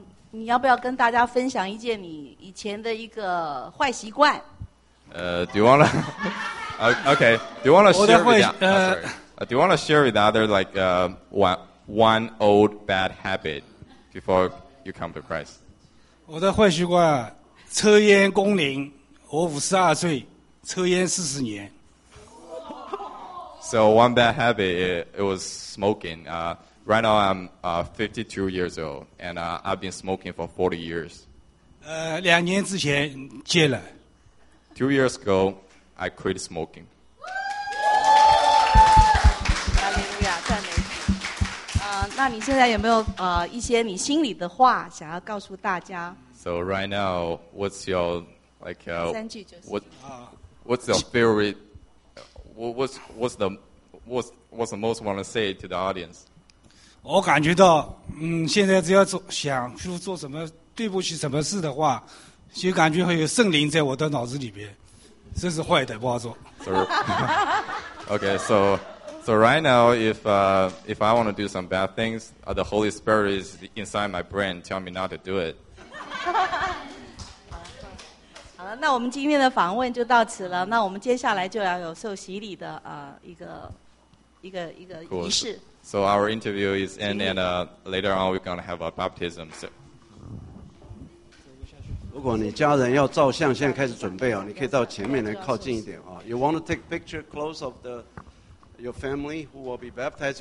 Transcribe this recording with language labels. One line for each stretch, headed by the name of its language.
Chinese: 你要不要跟大家分享一件你以前的一个坏习惯？
English: Do you want to? Okay. Do you want to share with do you want to share with others like one old bad habit before you come to Christ?
Chinese: 我的坏习惯，抽烟工龄，我52岁，抽烟40年。
English: So one bad habit, it was smoking. Right now I'm 52 years old, and I've been smoking for 40 years.
Chinese: 两年之前戒了。
English: Two years ago, I quit smoking.
Chinese: 哈利路亚，赞美主。那你现在有没有一些你心里的话想要告诉大家？
English: So right now, what's your like? What's the most want to say to the audience?
Chinese: 我感觉到，现在只要想去做什么对不起什么事的话，就感觉会有圣灵在我的脑子里边，这是坏的，不好做。
English: Okay, so right now, if I want to do some bad things, the Holy Spirit is inside my brain, tell me not to do it.
Chinese: 好了，那我们今天的访问就到此了。那我们接下来就要有受洗礼的一个仪式。
English: So our interview is end, and later on we're gonna have a baptism. So,
Chinese: 如果你家人要照相，现在开始准备啊，你可以到前面来靠近一点啊。
English: You want to take picture close of your family who will be baptized?